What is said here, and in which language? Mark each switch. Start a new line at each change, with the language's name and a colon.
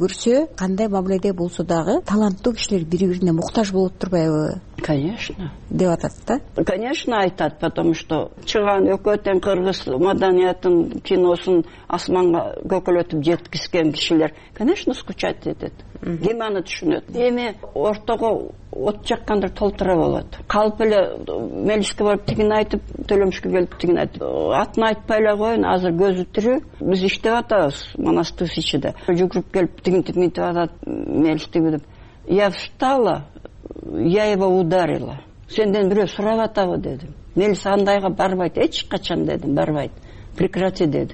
Kyrgyz: Көрсө кандай мамиледе болсо дагы таланттуу кишилер бири бирине муктаж болуп турбайбы?
Russian: Конечно.
Kyrgyz: Деп атат да? Конечно айтат,
Russian: потому что
Kyrgyz: чыгаан өкөтөн кыргыз маданиятын киносун асманга көкөлөтүп жеткизген кишилер, конечно, скучать этет. Эми аны түшүнөт. Эми ортого от жаккандар толтура болот. Калп эле мелиске барып тигин айтып, төлөмүшкө келип тигин айтып, атын айтпай эле коюн, азыр көзү тирүү, биз иштеп атабыз монастыр ичинде. Жүгүрүп келип тигинтип минтип атат мелистиги деп.
Russian: Я встала, я его ударила.
Kyrgyz: Сенден бирөө сурап атабы дедим. Мелис андайга барбайт, эч качан дедим, барбайт.
Russian: Прекрати
Kyrgyz: деди.